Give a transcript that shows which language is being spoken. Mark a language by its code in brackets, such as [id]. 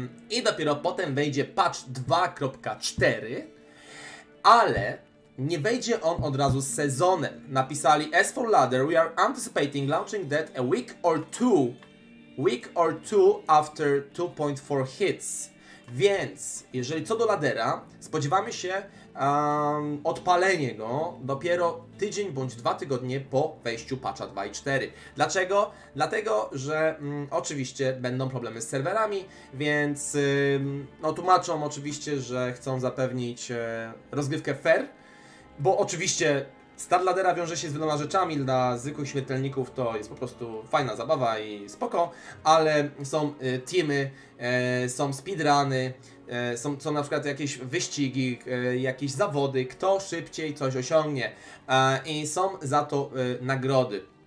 [pl] I dopiero potem wejdzie patch 2.4, ale nie wejdzie on od razu z sezonem. Napisali: [en] As for Ladder, we are anticipating launching that a week or two. Week or two after 2.4 hits. [pl] Więc, jeżeli co do ladera, spodziewamy się odpalenie go dopiero tydzień bądź dwa tygodnie po wejściu patcha 2.4. Dlaczego? Dlatego, że oczywiście będą problemy z serwerami, więc no, tłumaczą oczywiście, że chcą zapewnić rozgrywkę fair, bo oczywiście start ladera wiąże się z wieloma rzeczami, dla zwykłych śmiertelników to jest po prostu fajna zabawa i spoko, ale są teamy, są speedruny, są na przykład jakieś wyścigi, jakieś zawody, kto szybciej coś osiągnie i są za to nagrody.